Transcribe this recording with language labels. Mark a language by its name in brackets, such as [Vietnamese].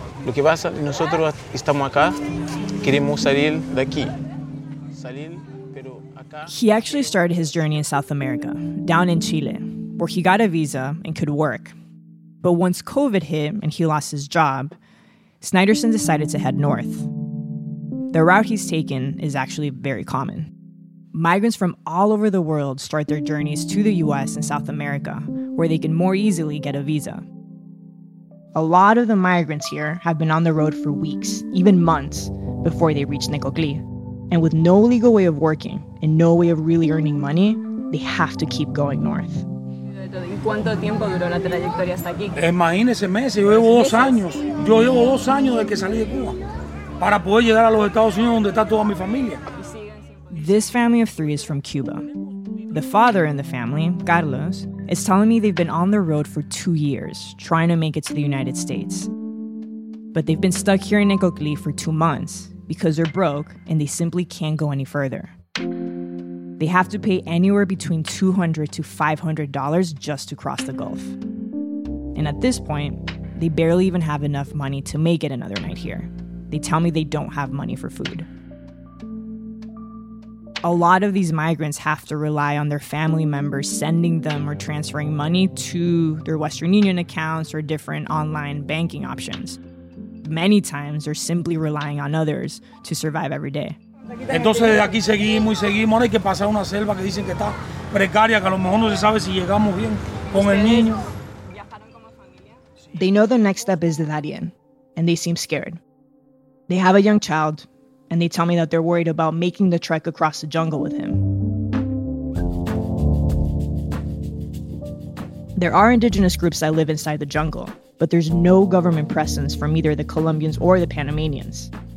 [Spanish] Lo que pasa, nosotros estamos acá, queremos salir de aquí. [English] He actually started his journey in South America, down in Chile, where he got a visa and could work. But once COVID hit and he lost his job, Snyderson decided to head north. The route he's taken is actually very common. Migrants from all over the world start their journeys to the U.S. and South America, where they can more easily get a visa. A lot of the migrants here have been on the road for weeks, even months, before they reach Necoclí. And with no legal way of working and no way of really earning money, they have to keep going north. [Spanish] Imagínese meses, yo llevo dos años. Yo llevo dos años desde que salí de Cuba para poder llegar a los Estados Unidos donde está toda mi familia. [English] This family of three is from Cuba. The father in the family, Carlos, is telling me they've been on the road for 2 years, trying to make it to the United States. But they've been stuck here in Necoclí for 2 months because they're broke and they simply can't go any further. They have to pay anywhere between $200 to $500 just to cross the Gulf. And at this point, they barely even have enough money to make it another night here. They tell me they don't have money for food. A lot of these migrants have to rely on their family members sending them or transferring money to their Western Union accounts or different online banking options. Many times, they're simply relying on others to survive every day. [Spanish] Entonces, desde aquí seguimos y seguimos. Ahora hay que pasar una selva que dicen que está precaria, que a lo mejor no se sabe si llegamos bien con el niño. [English] They know the next step is the Darien, and they seem scared. They have a young child, and they tell me that they're worried about making the trek across the jungle with him. There are indigenous groups that live inside the jungle, but there's no government presence from either the Colombians or the Panamanians.